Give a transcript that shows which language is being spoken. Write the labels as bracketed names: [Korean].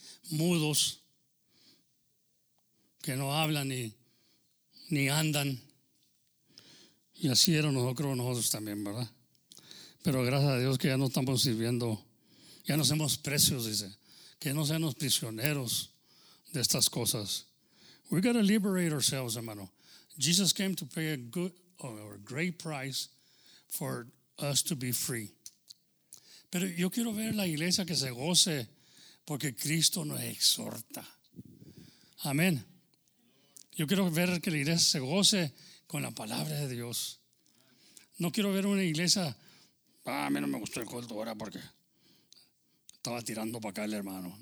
[Spanish] Mudos que no hablan ni andan. Y así era nosotros también, ¿verdad? Pero gracias a Dios que ya no estamos sirviendo, ya no somos presos, dice, que no seamos prisioneros de estas cosas. [English] We gotta liberate ourselves, hermano. Jesus came to pay a good or a great price for us to be free. [Spanish] Pero yo quiero ver la iglesia que se goce porque Cristo nos exhorta. Amén. Yo quiero ver que la iglesia se goce con la palabra de Dios. No quiero ver una iglesia, a mí no me gustó el culto ahora porque estaba tirando para acá el hermano.